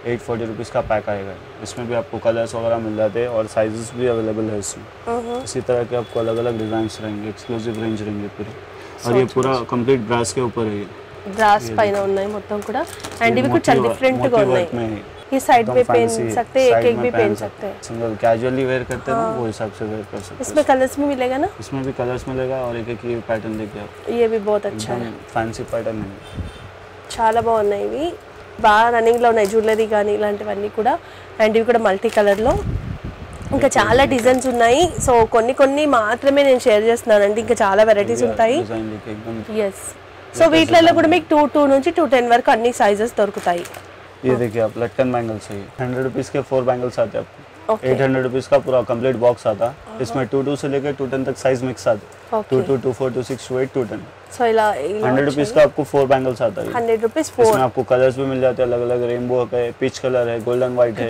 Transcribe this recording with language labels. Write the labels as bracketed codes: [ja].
[hi] 840 rupees का pack आएगा इसमें भी आपको कलर्स वगैरह मिल जाते हैं और साइजेस भी अवेलेबल है इसमें इसी तरह के आपको अलग अलग डिजाइन रहेंगे एक्सक्लूसिव रेंज रहेंगे पूरे और ये पूरा कंप्लीट ब्रास के ऊपर है [te] ब्रास पाइन ఉన్నాయి మొత్తం కూడా అండ్ ఇవి కొంచెం డిఫరెంట్ గా ఉన్నాయి [hi] ये साइड पे पहन सकते हैं एक एक भी पहन सकते हैं सिंगल कैजुअली वेयर करते हैं वो हिसाब से वेयर कर सकते हैं इसमें कलर्स भी मिलेगा ना इसमें भी कलर्स मिलेगा और एक एक ये पैटर्न देखिए आप ये भी बहुत अच्छा है फैंसी पैटर्न है [te] చాలా బాగున్నాయి ఇవి బాగా రన్నింగ్ లో ఉన్నాయి జ్యువెలరీ గాని ఇలాంటివన్నీ కూడా అండ్ ఇవి కూడా మల్టీ కలర్ లో ఇంకా చాలా డిజైన్స్ ఉన్నాయి సో కొన్ని కొన్ని మాత్రమే నేను షేర్ చేస్తున్నాను అండి ఇంకా చాలా వెరైటీస్ ఉంటాయి డిజైన్ లికి ఎగ్జామ్ yes so వీట్లల్లో కూడా మీకు 22 నుంచి 210 వరకు అన్ని సైజెస్ దొరుకుతాయి ये देखिए आप लटकन बैंगल्स है 100 रुपीस के 4 बैंगल्स आते हैं आपको 800 रुपीस का पूरा कंप्लीट बॉक्स आता है इसमें 22 से लेकर 210 तक साइज मिक्स आते हैं 22 24 26 28 210 सो इला [hi] 100 रुपीस का आपको 4 बैंगल्स आता है 100 रुपीस 4 इसमें आपको कलर्स भी मिल जाते हैं अलग-अलग रेनबो है पीच कलर है गोल्डन व्हाइट है